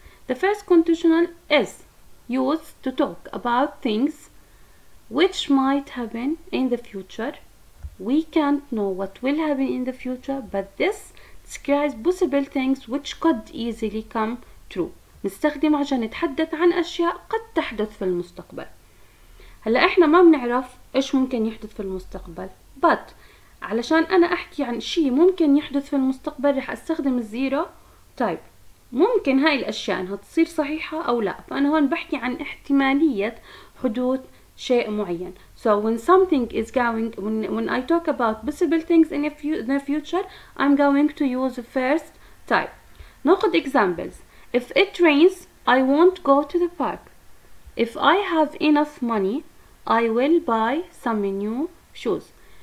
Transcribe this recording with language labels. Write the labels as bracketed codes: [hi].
[en] The first conditional is used to talk about things which might happen in the future. We can't know what will happen in the future, but this describes possible things which could easily come true. [ar] نستخدم عشان نتحدث عن أشياء قد تحدث في المستقبل. هلا إحنا ما بنعرف إيش ممكن يحدث في المستقبل, but علشان أنا أحكي عن شيء ممكن يحدث في المستقبل رح أستخدم [en] الزيرو تايب. [ar] ممكن هاي الأشياء أنها تصير صحيحة أو لا, فأنا هون بحكي عن احتمالية حدوث شيء معين. [en] So when something is going, when I talk about possible things in the future, I'm going to use the first type. ناخد examples. If it rains, I won't go to the park. If I have enough money, I will buy some new shoes.